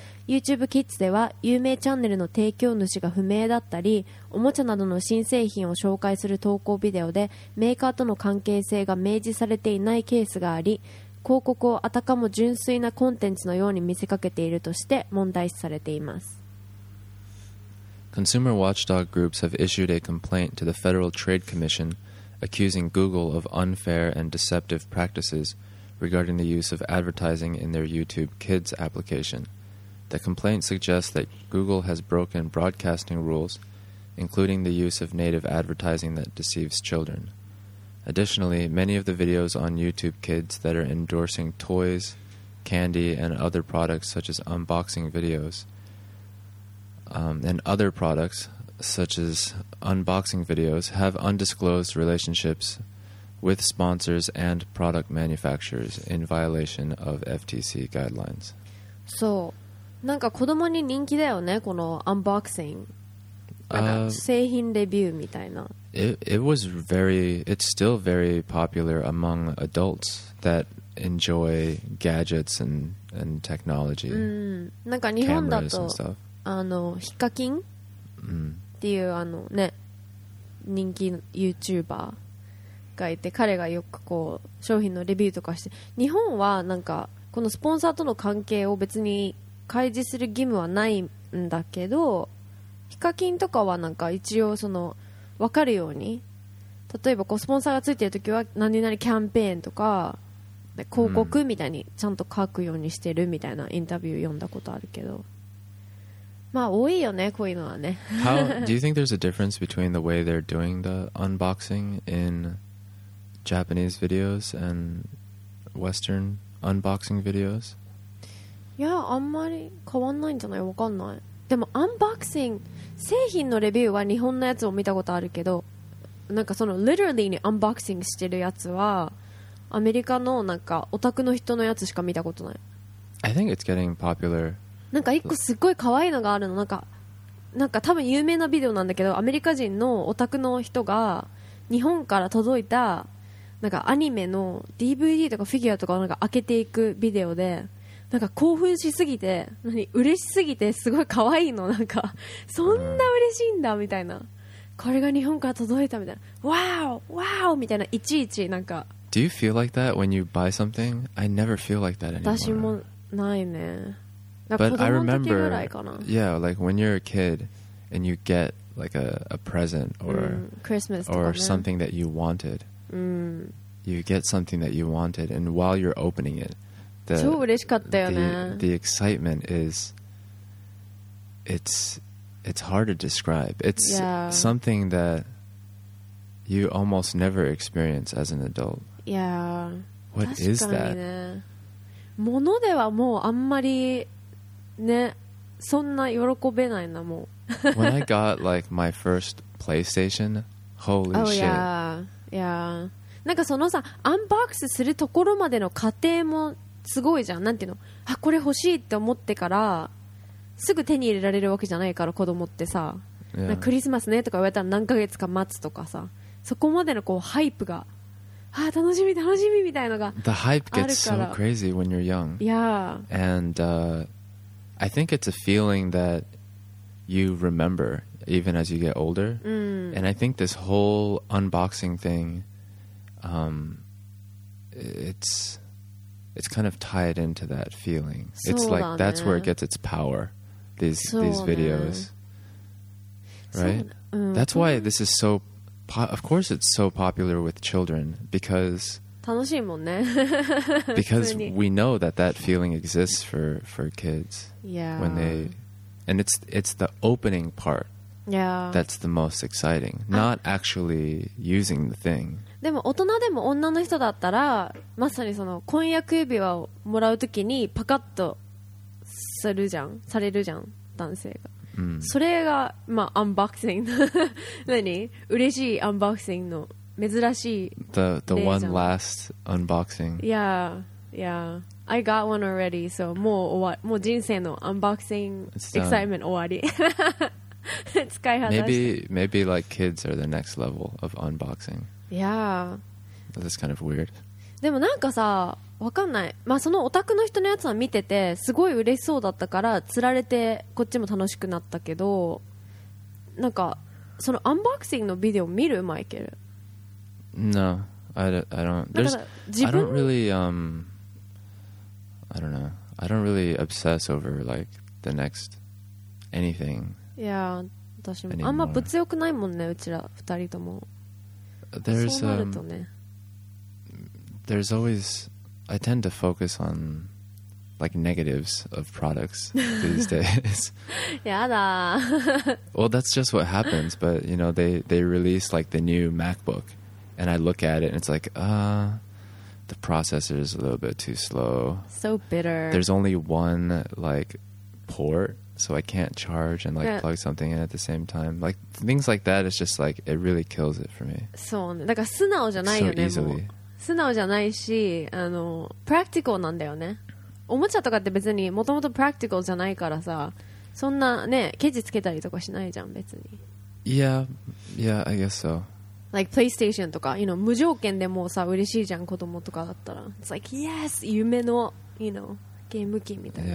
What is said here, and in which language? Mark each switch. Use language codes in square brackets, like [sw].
[ja] YouTube Kids では有名チャンネルの提供主が不明だったり、おもちゃなどの新製品を紹介する投稿ビデオでメーカーとの関係性が明示されていないケースがあり、広告をあたかも純粋なコンテンツのように見せかけているとして問題視されています。 [en] Consumer watchdog groups have issued a complaint to the Federal Trade Commission accusing Google of unfair and deceptive practices regarding the use of advertising in their YouTube Kids application. The complaint suggests that Google has broken broadcasting rules, including the use of native advertising that deceives children. Additionally, many of the videos on YouTube Kids that are endorsing toys, candy, and other products such as unboxing videos,and other products, such as unboxing videos, have undisclosed relationships with sponsors and product manufacturers in violation of FTC guidelines. [ja] そう、なんか子供に人気だよね、このアンボクシング、製品レビューみたいな。 [en] It's still very popular among adults that enjoy gadgets and technology. [ja] なんか日本だと。あのヒカキン、っていうあのね人気ユーチューバーがいて、彼がよくこう商品のレビューとかして、日本はなんかこのスポンサーとの関係を別に開示する義務はないんだけど、ヒカキンとかはなんか一応その分かるように、例えばこうスポンサーがついてるときは何々キャンペーンとか広告みたいにちゃんと書くようにしてるみたいなインタビュー読んだことあるけど、まあ多いよねこういうのはね。 [en] How do you think there's a difference between the way they're doing the unboxing in Japanese videos and Western unboxing videos? [ja] いやあんまり変わんないんじゃない、わかんない。でもアンボクシング製品のレビューは日本のやつを見たことあるけど、なんかその literally にアンボクシングしてるやつはアメリカのなんかオタクの人のやつしか見たことない。 [en] I think it's getting popular. [ja] なんか一個すごい可愛いのがあるの、なんか多分有名なビデオなんだけど、アメリカ人のオタクの人が日本から届いたなんかアニメの DVD とかフィギュアとかをなんか開けていくビデオで、なんか興奮しすぎて、嬉しすぎてすごい可愛いの、なんかそんな嬉しいんだみたいな、これが日本から届いたみたいな、ワーオワーオみたいな、いちいちなんか。 [en] Do you feel like that when you buy something? I never feel like that anymore. [ja] 私もないね。 [en] But I remember, yeah, like when you're a kid and you get like a present or Christmas or something that you wanted, you get something that you wanted, and while you're opening it, the excitement is it's hard to describe. It's something that you almost never experience as an adult. Yeah, what is that? [ja] ものではもうあんまりね、そんな喜べないな、もう。 [en] When I got like my first PlayStation, holy shit. Oh yeah, yeah. [ja] なんかそのさ、アンボックスするところまでの過程もすごいじゃん。なんていうの、あ、これ欲しいって思ってからすぐ手に入れられるわけじゃないから、子供ってさ、 [en] yeah. [ja] なんかクリスマスねとか言われたら何ヶ月か待つとかさ、そこまでのこうハイプが、あ、楽しみ楽しみみたいのがあるから。 [en] The hype gets so crazy when you're young. Yeah. And, I think it's a feeling that you remember even as you get older. And I think this whole unboxing thing, it's kind of tied into that feeling. It's like that's where it gets its power, these videos. Right? That's why this is so... Of course it's so popular with children because... [ja] 楽しいもんね。 [en] Because we know that that feeling exists for kids. Yeah. When they, and it's the opening part. Yeah. That's the most exciting. Not actually using the thing. [ja] でも大人でも女の人だったらまさにその婚約指輪をもらうときにパカッとするじゃん、されるじゃん男性が、うん、それが、まあ、アンボクシング何嬉しいアンボクシングの珍しい [en] the one last unboxing yeah yeah I got one already so [ja] もう終わもう人生のアンボクシングエキサイメント終わり使い果た [en] して maybe like kids are the next level of unboxing yeah that's kind of weird [ja] でもなんかさわかんない、まあ、そのオタクの人のやつは見ててすごい嬉しそうだったから釣られてこっちも楽しくなったけどなんかそのアンボクシングのビデオ見るマイケル [en] No, I don't. There's, I don't really, I don't know. I don't really obsess over, like, the next anything. Yeah, I don't. [ja] あんま物欲ないもんね、うちら二人とも。 [en] There's, there's always, I tend to focus on, like, negatives of products these days. [ja] やだ。 [en] Well, that's just what happens, but, you know, they release, like, the new MacBook. And I look at it and it's like, the processor is a little bit too slow. So bitter. There's only one, like, port, so I can't charge and, like, plug something in at the same time. Like, things like that, it's just like, it really kills it for me. [ja] そうね。だから素直じゃないよね。 [en] So easily. [ja] 素直じゃないし、あの、practical なんだよね。おもちゃとかって別にもともと practical じゃないからさ、そんなね、ケチつけたりとかしないじゃん、別に。 [en] Yeah, yeah, I guess so. Like [ja] PlayStation とか [en] you know, [ja] 無条件でもさ嬉しいじゃん子供とかだったら [en] It's like yes [ja] 夢の you know, ゲーム機みたいな、